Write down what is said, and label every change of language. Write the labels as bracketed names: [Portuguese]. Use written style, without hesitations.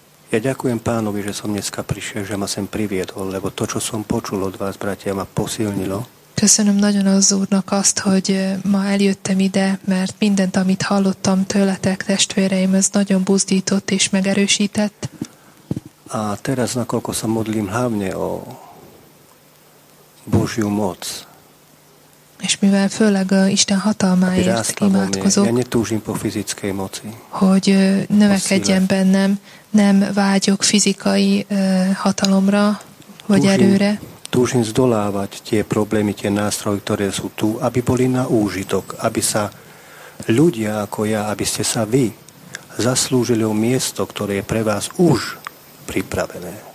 [Slovak] Ja ďakujem Pánovi, že som dneska prišiel, že ma sem priviedol, lebo to, čo som počul od vás, bratia, ma posilnilo. [Hungarian] Köszönöm nagyon az Úrnak azt, hogy ma eljöttem ide, mert mindent, amit hallottam tőletek, testvéreim, ez nagyon buzdított és megerősített. [Slovak] A teraz, nakoľko sa modlím hlavne o Božiu moc. [Hungarian] És mivel főleg a Isten hatalmáért imádkozok, [Slovak] ja netúžim po fizickej moci, [Hungarian] hogy növekedjen bennem, nem vágyok fizikai hatalomra vagy erőre. [Slovak] Túžim zdolávať tie problémy, tie nástroje, ktoré sú tu, aby boli na úžitok, aby sa ľudia ako ja, aby ste sa vy zaslúžili o miesto, ktoré je pre vás už pripravené.